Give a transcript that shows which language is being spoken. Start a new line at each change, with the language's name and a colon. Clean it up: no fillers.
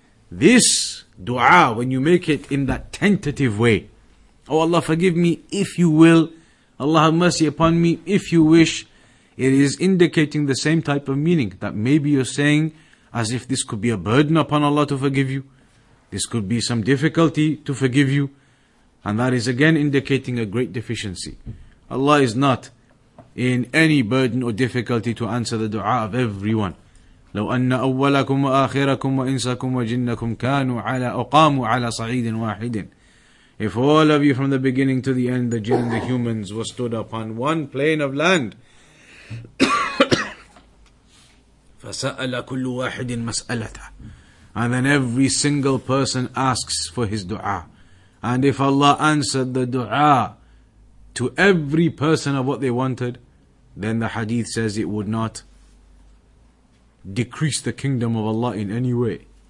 English: This dua, when you make it in that tentative way, oh Allah forgive me if you will, Allah have mercy upon me if you wish, it is indicating the same type of meaning, that maybe you're saying as if this could be a burden upon Allah to forgive you, this could be some difficulty to forgive you, and that is again indicating a great deficiency. Allah is not in any burden or difficulty to answer the dua of everyone.
Arabic: لو أن أولكم وآخركم وإنسكم وجنكم كانوا على أقاموا على صعيد واحد.
English: If all of you from the beginning to the end, the jinn, the humans, were stood upon one plane of land.
Arabic: فسأل كل واحد مسألته.
English: And then every single person asks for his dua. And if Allah answered the dua to every person of what they wanted, then the hadith says it would not decrease the kingdom of Allah in any way.